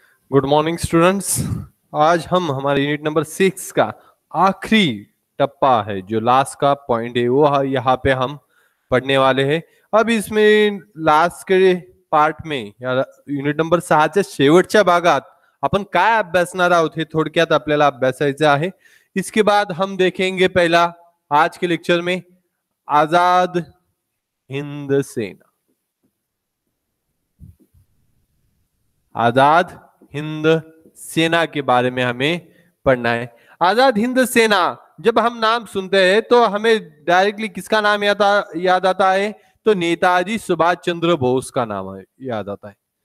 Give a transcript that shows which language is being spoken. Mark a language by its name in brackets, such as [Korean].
[Hindi] Good morning students, आज हम हमारे यूनिट नंबर 6 का आखिरी टप्पा है, जो लास्ट का पॉइंट है वो यहाँ पे हम पढ़ने वाले हैं। अब इसमें लास्ट के पार्ट में [Marathi] यूनिट नंबर 6 च्या शेवटच्या भागात अपन काय अभ्यासणार आहोत हे थोडक्यात आपल्याला अभ्यासायचे आहे। [Hindi] इसके बाद हम देखेंगे पहला आज के लेक्चर में आजाद हिंद सेना, आजाद हिंद सेना के बारे में हमें पढ़ना है। आजाद हिंद सेना, जब हम नाम सुनते हैं तो हमें डायरेक्टली किसका नाम याद आता है, तो नेताजी सुभाष चंद्र बोस का नाम याद आता है।